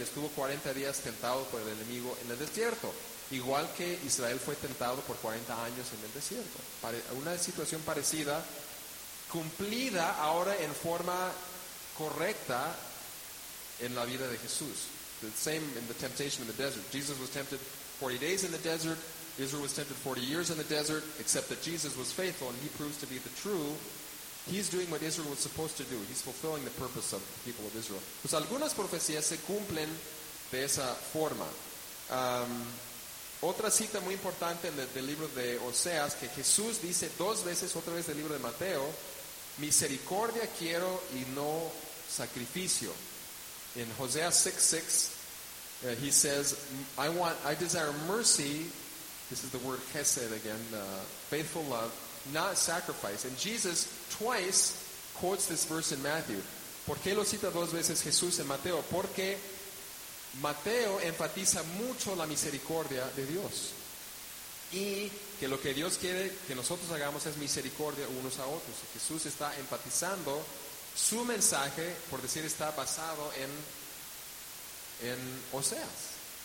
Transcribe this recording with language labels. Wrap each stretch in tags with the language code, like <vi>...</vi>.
<es>Estuvo 40 días tentado por el enemigo en el desierto, igual que Israel fue tentado por 40 años en el desierto. Una situación parecida cumplida ahora en forma correcta en la vida de Jesús.</es> <en>The same in the temptation in the desert. Jesus was tempted 40 days in the desert. Israel was tempted 40 years in the desert, except that Jesus was faithful and he proves to be the true. He's doing what Israel was supposed to do. He's fulfilling the purpose of the people of Israel.</en> <es>Pues algunas profecías se cumplen de esa forma. Otra cita muy importante del libro de Oseas, que Jesús dice dos veces, otra vez del libro de Mateo, misericordia quiero y no sacrificio.</es> <en>In Hosea 6:6, he says, I desire mercy. This is the word chesed again, faithful love, not sacrifice. And Jesus twice quotes this verse in Matthew.</en> <es>¿Por qué lo cita dos veces Jesús en Mateo? Porque Mateo enfatiza mucho la misericordia de Dios. Y que lo que Dios quiere que nosotros hagamos es misericordia unos a otros. Jesús está enfatizando su mensaje, por decir, está basado en Oseas.</es>